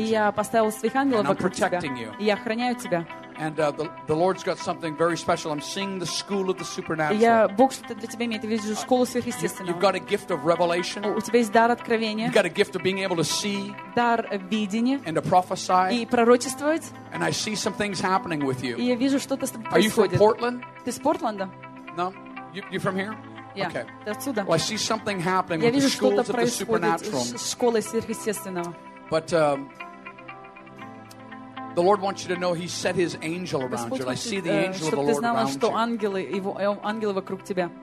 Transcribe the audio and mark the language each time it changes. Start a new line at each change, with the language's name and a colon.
Russian: И я поставил своих ангелов вокруг тебя.
English: And I'm protecting you.
Russian: И я охраняю тебя.
English: And the Lord's got something very special. I'm seeing the school of the supernatural.
Russian: Я Бог что-то для тебя имеет. Я вижу школу сверхъестественного.
English: You've got a gift of revelation.
Russian: У тебя есть дар откровения.
English: You've got a gift of being able to see.
Russian: Дар видения.
English: And to prophesy.
Russian: И пророчествовать.
English: And I see some things happening with you.
Russian: И я вижу что-то с тобой.
English: Are you from Portland?
Russian: Ты из Портленда?
English: No. You from here? Yeah. Okay.
Russian: Ты отсюда?
English: Well, I see something happening with the schools of the supernatural.
Russian: Школы сверхъестественного.
English: But the Lord wants you to know He set His angel around you. I see the angel of the Lord around you.
Russian: Чтобы ты знала, что ангелы вокруг тебя.